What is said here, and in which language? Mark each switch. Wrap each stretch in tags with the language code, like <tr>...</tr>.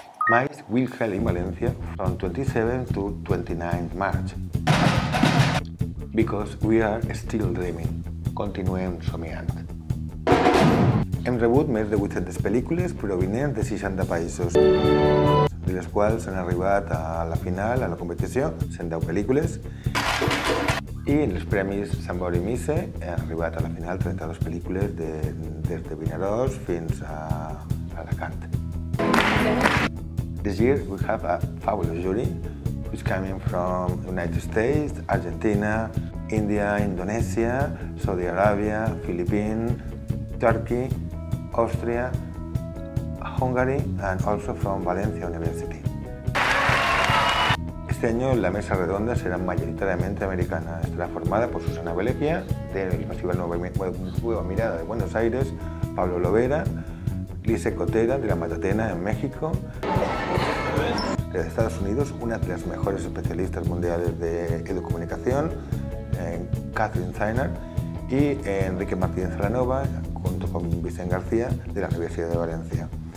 <en>Mice will fail in Valencia from 27 to 29 March. Because we are still dreaming.</en> <ca>Continuem somiant. Hem rebut més de 800 pel·lícules provenient de 60 països, de les quals han arribat a la final, a la competició, 110 pel·lícules. I en els premis Sant Boi Missa han arribat a la final 32 pel·lícules des de Vinaròs fins a Alacant.</ca> <en>This year we have a fabulous jury who's coming from United States, Argentina, India, Indonesia, Saudi Arabia, Philippines, Turkey, Austria, Hungary and also from Valencia University.</en> <es>Este año la mesa redonda será mayoritariamente americana. Estará formada por Susana Velequia, del Festival Nueva Mirada de Buenos Aires, Pablo Lovera, Lise Cotera, de La Matatena, en México. Desde Estados Unidos, una de las mejores especialistas mundiales de educomunicación, Catherine Zeiner, y Enrique Martínez Salanova, junto con Vicente García, de la Universidad de Valencia.</es>